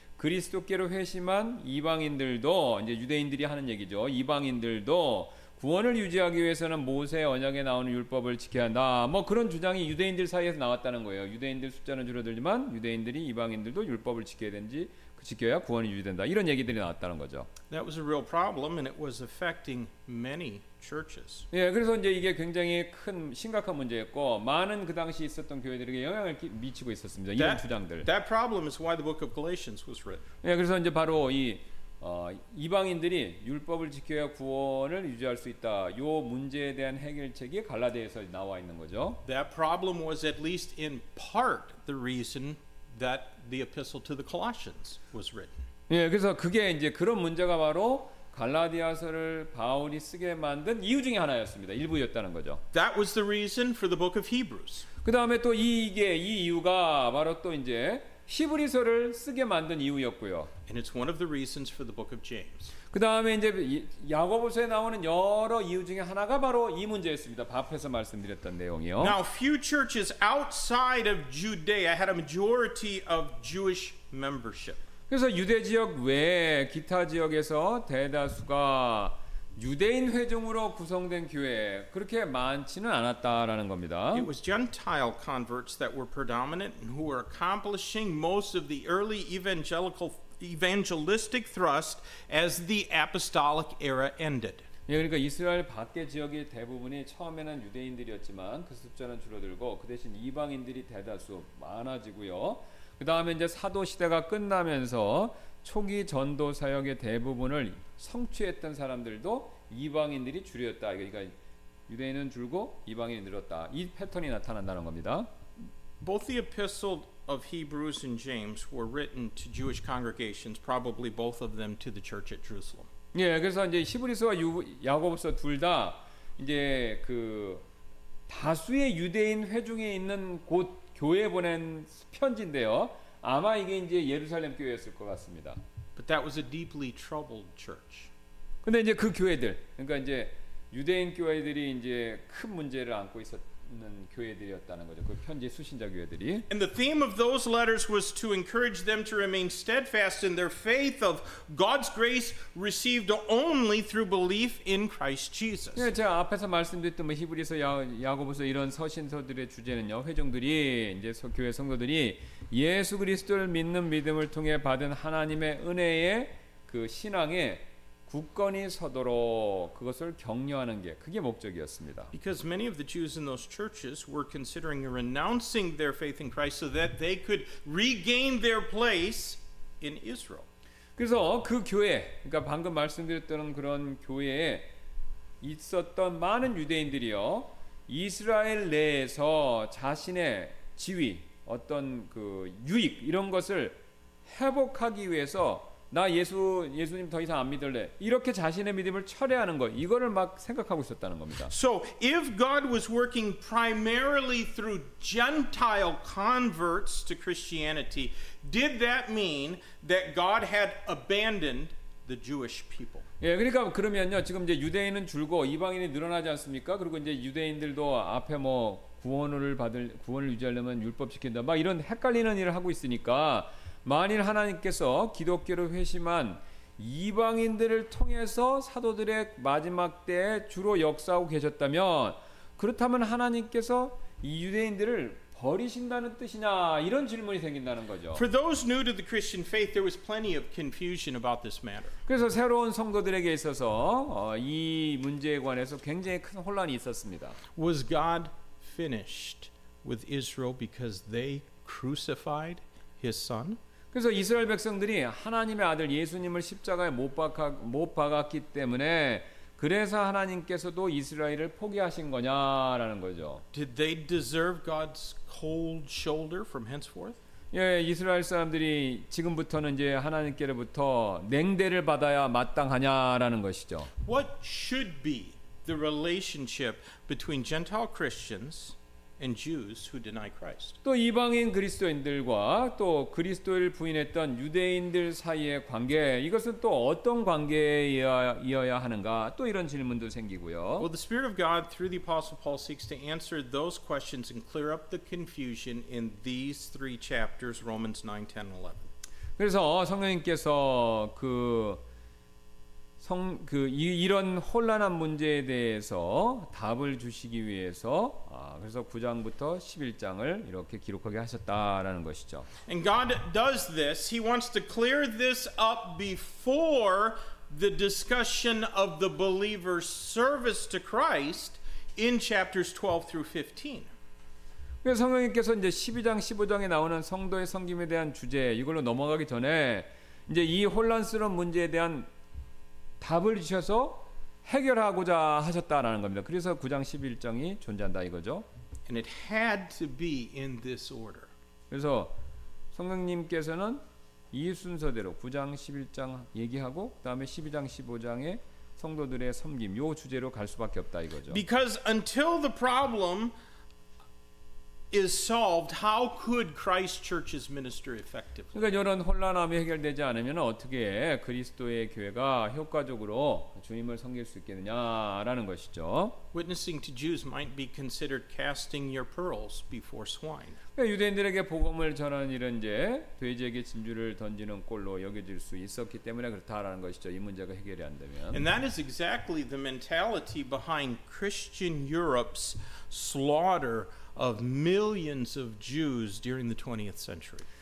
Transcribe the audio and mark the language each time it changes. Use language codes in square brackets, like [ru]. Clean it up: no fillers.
[ko] 그리스도께로 회심한 이방인들도 이제 유대인들이 하는 얘기죠. 이방인들도 구원을 유지하기 위해서는 모세 언약에 나오는 율법을 지켜야 한다. 뭐 그런 주장이 유대인들 사이에서 나왔다는 거예요. 유대인들 숫자는 줄어들지만 유대인들이 이방인들도 율법을 지켜야 되는지 지켜야 구원이 유지된다. 이런 얘기들이 나왔다는 거죠. [en] That was a real problem and it was affecting many churches. [ko] 예, 그래서 이제 이게 굉장히 큰 심각한 문제였고 많은 그 당시 있었던 교회들에게 영향을 미치고 있었습니다. 이런 주장들. [en] That problem is why the book of Galatians was written. [ko] 예, 그래서 이제 바로 이 이방인들이 율법을 지켜야 구원을 유지할 수 있다. 이 문제에 대한 해결책이 갈라디아에서 나와 있는 거죠. [en] That problem was at least in part the reason that the epistle to the Colossians was written. [ko] 예, 그래서 그게 이제 그런 문제가 바로 갈라디아서를 바울이 쓰게 만든 이유 중에 하나였습니다. 일부였다는 거죠. [en] That was the reason for the book of Hebrews. [ko] 그다음에 또 이 이유가 바로 또 이제 히브리서를 쓰게 만든 이유였고요. [en] And it's one of the reasons for the book of James. [ko] 그다음에 이제 야고보서에 나오는 여러 이유 중에 하나가 바로 이 문제였습니다. 앞에서 말씀드렸던 내용이요. [en] Now few churches outside of Judea had a majority of Jewish membership. [ko] 그래서 유대 지역 외에 기타 지역에서 대다수가 유대인 회중으로 구성된 교회 그렇게 많지는 않았다라는 겁니다. [en] It was Gentile converts that were predominant and who were accomplishing most of the early evangelistic thrust as the apostolic era ended. [ko] 예, 그러니까 이스라엘 밖의 지역의 대부분이 처음에는 유대인들이었지만 그 숫자는 줄어들고 그 대신 이방인들이 대다수 많아지고요. 그 다음에 이제 사도 시대가 끝나면서 초기 전도 사역의 대부분을 성취했던 사람들도 이방인들이 줄였다. 그러니까 유대인은 줄고 이방인이 늘었다. 이 패턴이 나타난다는 겁니다. [en] Both the epistle of Hebrews and James were written to Jewish congregations, probably both of them to the church at Jerusalem. [ko] 예, 그래서 이제 히브리서와 야고보서 둘 다 이제 그 다수의 유대인 회중에 있는 곳 교회에 보낸 편지인데요. 아마 이게 이제 예루살렘 교회였을 것 같습니다. [en] But that was a deeply troubled church. [ko] 근데 이제 그 교회들, 그러니까 이제 유대인 교회들이 이제 큰 문제를 안고 있었는 교회들이었다는 거죠. 그 편지 수신자 교회들이. [en] And the theme of those letters was to encourage them to remain steadfast in their faith of God's grace received only through belief in Christ Jesus. [ko] 예, 제가 앞에서 말씀드렸던 뭐 히브리서, 야고보서 이런 서신서들의 주제는요. 회중들이 이제 교회 성도들이 예수 그리스도를 믿는 믿음을 통해 받은 하나님의 은혜의 그 신앙에 굳건히 서도록 그것을 격려하는 게 그게 목적이었습니다. [en] Because many of the Jews in those churches were considering renouncing their faith in Christ so that they could regain their place in Israel. [ko] 그래서 그 교회, 그러니까 방금 말씀드렸던 그런 교회에 있었던 많은 유대인들이요. 이스라엘 내에서 자신의 지위 어떤 그 유익 이런 것을 회복하기 위해서 나 예수님 더 이상 안 믿을래 이렇게 자신의 믿음을 철회하는 거 이거를 막 생각하고 있었다는 겁니다. [en] So if God was working primarily through Gentile converts to Christianity, did that mean that God had abandoned the Jewish people? [ko] 예, 그러니까 그러면요 지금 이제 유대인은 줄고 이방인이 늘어나지 않습니까? 그리고 이제 유대인들도 앞에 뭐 구원을 유지하려면 율법 지킨다. 막 이런 헷갈리는 일을 하고 있으니까 만일 하나님께서 기독교로 회심한 이방인들을 통해서 사도들의 마지막 때에 주로 역사하고 계셨다면 그렇다면 하나님께서 이 유대인들을 버리신다는 뜻이냐 이런 질문이 생긴다는 거죠. [en] For those new to the Christian faith, there was plenty of confusion about this matter. [ko] 그래서 새로운 성도들에게 있어서 이 문제에 관해서 굉장히 큰 혼란이 있었습니다. [en] Was God finished with Israel because they crucified his son? [ko] 그래서 이스라엘 백성들이 하나님의 아들 예수님을 십자가에 못 박았기 때문에 그래서 하나님께서도 이스라엘을 포기하신 거냐라는 거죠. [en] Did they deserve God's cold shoulder from henceforth? [ko] 예, 이스라엘 사람들이 지금부터는 이제 하나님께로부터 냉대를 받아야 마땅하냐라는 것이죠. [en] What should be the relationship between Gentile Christians and Jews who deny Christ? [ko] 또 이방인 그리스도인들과 또 그리스도를 부인했던 유대인들 사이의 관계 이것은 또 어떤 관계이어야 하는가? 또 이런 질문도 생기고요. [en] Well, the Spirit of God through the Apostle Paul seeks to answer those questions and clear up the confusion in these three chapters, Romans 9, 10, 11. [ko] 그래서 성령님께서 그 이런 혼란한 문제에 대해서 답을 주시기 위해서 그래서 9장부터 11장을 이렇게 기록하게 하셨다라는 것이죠. [en] And God does this. He wants to clear this up before the discussion of the believer's service to Christ in chapters 12 through 15. [ko] 그래서 성령님께서 이제 12장 15장에 나오는 성도의 섬김에 대한 주제 이걸로 넘어가기 전에 이제 이 혼란스러운 문제에 대한 답을 주셔서 해결하고자 하셨다라는 겁니다. 그래서 9장 11장이 존재한다 이거죠. [en] And it had to be in this order. [ko] 그래서 성령님께서는 이 순서대로 9장 11장 얘기하고 그다음에 12장 15장에 성도들의 섬김 요 주제로 갈 수밖에 없다 이거죠. [en] Because until the problem is solved, how could Christ Church's ministry effectively? [ko] 그러니까 이런 혼란함이 해결되지 않으면 어떻게 그리스도의 교회가 효과적으로 주님을 섬길 수 있겠느냐라는 것이죠. [en] Witnessing to Jews might be considered casting your pearls before swine. [ko] 그러니까 유대인들에게 복음을 전하는 일은 이제 돼지에게 진주를 던지는 꼴로 여겨질 수 있었기 때문에 그렇다라는 것이죠. 이 문제가 해결이 안 되면. [en] And that is exactly the mentality behind Christian Europe's slaughter of millions of Jews during the 20th century.